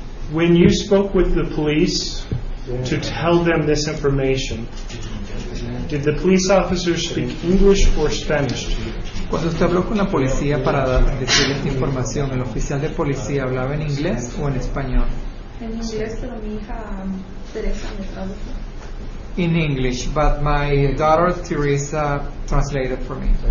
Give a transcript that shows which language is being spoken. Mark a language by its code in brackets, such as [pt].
[en] When you spoke with the police to tell them this information, did the police officer speak English or Spanish to you? [es] Cuando usted habló con la policía para decir esta información, ¿el oficial de policía hablaba en inglés o en español? En inglés, pero mi hija Teresa me tradujo. [en] In English, but my daughter Teresa translated for me.